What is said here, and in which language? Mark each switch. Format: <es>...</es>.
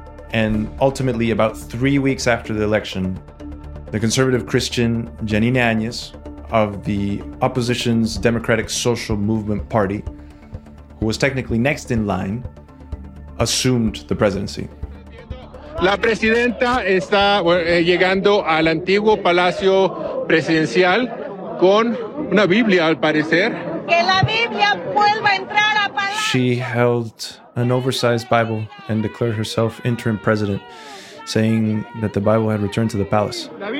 <en>And ultimately, about 3 weeks after the election, the conservative Christian Janine Áñez of the opposition's Democratic Social Movement Party, who was technically next in line, assumed the presidency.</en> <es>La presidenta está llegando al antiguo Palacio Presidencial con una Biblia, al parecer.</es> <en>She held an oversized Bible and declared herself interim president, saying that the Bible had returned to the palace.</en>